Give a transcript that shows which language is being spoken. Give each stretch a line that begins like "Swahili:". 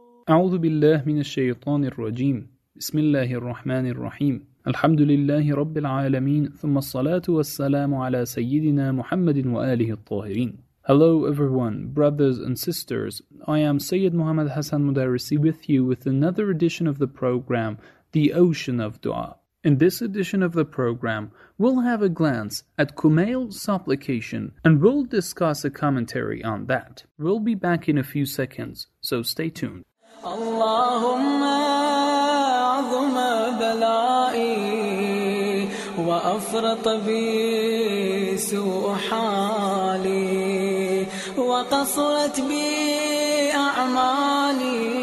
Arabic: أعوذ بالله من الشيطان الرجيم. بسم الله الرحمن الرحيم. الحمد لله رب العالمين، ثم الصلاة والسلام على سيدنا محمد وآله الطاهرين.
English: Hello everyone, brothers and sisters. I am Sayyid Muhammad Hassan Mudarrisi with you with another edition of the program, The Ocean of Dua. In this edition of the program, we'll have a glance at Kumail's supplication and we'll discuss a commentary on that. We'll be back in a few seconds, so stay tuned.
Arabic: اللهم عظم بلائي وأفرط بي سوء حالي وقصرت بي أعمالي